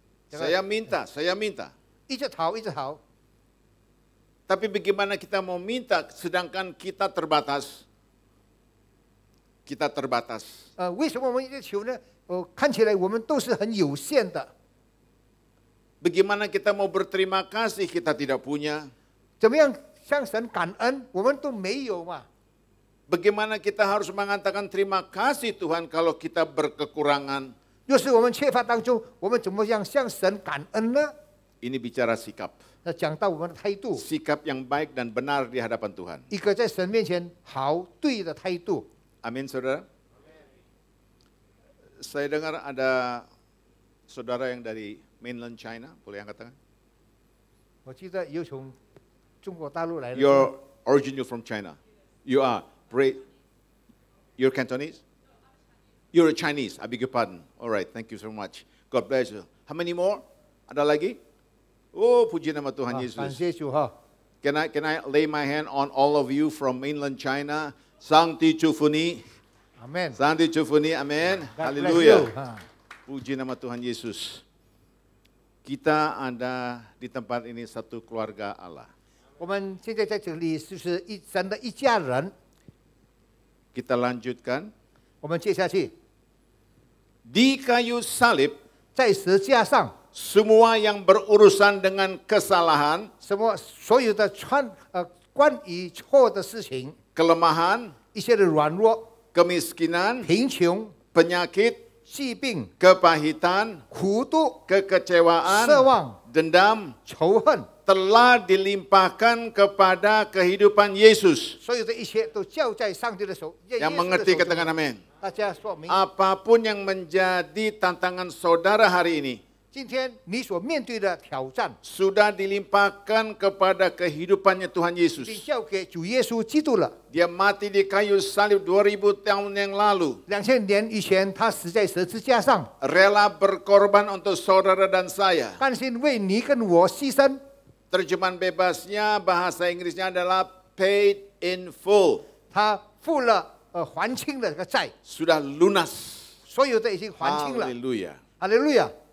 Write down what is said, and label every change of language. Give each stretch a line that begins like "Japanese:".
Indonesian: Saya minta.
Chinese: 一直讨。
Indonesian: Tapi bagaimana kita mau minta sedangkan kita terbatas? Kita terbatas.
Chinese: 为什么我们一直求呢? 看起来我们都是很有限的。
Indonesian: Bagaimana kita mau berterima kasih kita tidak punya?
Chinese: 怎么样向神感恩我们都没有嘛?
Indonesian: Bagaimana kita harus mengatakan terima kasih Tuhan kalau kita berkekurangan?
Chinese: 若是我们缺乏当中，我们怎么样向神感恩呢?
Indonesian: Ini bicara sikap.
Chinese: 讲到我们的态度.
Indonesian: Sikap yang baik dan benar di hadapan Tuhan.
Chinese: 一个在神面前好对的态度.
Indonesian: Amin, saudara. Amin. Saya dengar ada saudara yang dari Mainland China, boleh angkat tangan?
Chinese: 我记得有从中国大陆来的.
English: You're originally from China. You are, pray. You're Cantonese? You're a Chinese, I beg your pardon. All right, thank you so much. God bless you. How many more?
Indonesian: Ada lagi? Oh, puji nama Tuhan Yesus.
Chinese: 感谢主哈.
English: Can I lay my hand on all of you from Mainland China? Santi Chufuni.
Indonesian: Amen. Santi Chufuni, amen. Hallelujah. Puji nama Tuhan Yesus. Kita ada di tempat ini satu keluarga Allah.
Chinese: 我们现在在这里是神的一家人.
Indonesian: Kita lanjutkan.
Chinese: 我们接下去.
Indonesian: Di kayu salib,
Chinese: 在十字架上,
Indonesian: semua yang berurusan dengan kesalahan,
Chinese: 所有的关于错的事情,
Indonesian: kelemahan,
Chinese: 一些的软弱,
Indonesian: kemiskinan,
Chinese: 贫穷,
Indonesian: penyakit,
Chinese: 疾病,
Indonesian: kepahitan,
Chinese: 苦毒,
Indonesian: kekecewaan,
Chinese: 失望,
Indonesian: dendam,
Chinese: 仇恨,
Indonesian: telah dilimpahkan kepada kehidupan Yesus.
Chinese: 所有的一切都交在上帝的手,
Indonesian: yang mengerti katakan amin.
Chinese: 大家说明,
Indonesian: apapun yang menjadi tantangan saudara hari ini,
Chinese: 今天你所面对的挑战,
Indonesian: sudah dilimpahkan kepada kehidupannya Tuhan Yesus.
Chinese: 你交给主耶稣基督了.
Indonesian: Dia mati di kayu salib 2000 tahun yang lalu.
Chinese: 2000年以前, 他死在十字架上,
Indonesian: rela berkorban untuk saudara dan saya.
Chinese: 甘心为你跟我牺牲.
Indonesian: Terjemahan bebasnya bahasa Inggrisnya adalah
English: paid in full.
Chinese: 他付了 还清了这个债,
Indonesian: sudah lunas.
Chinese: 所有的已经还清了.
Indonesian: Haleluya. Haleluya.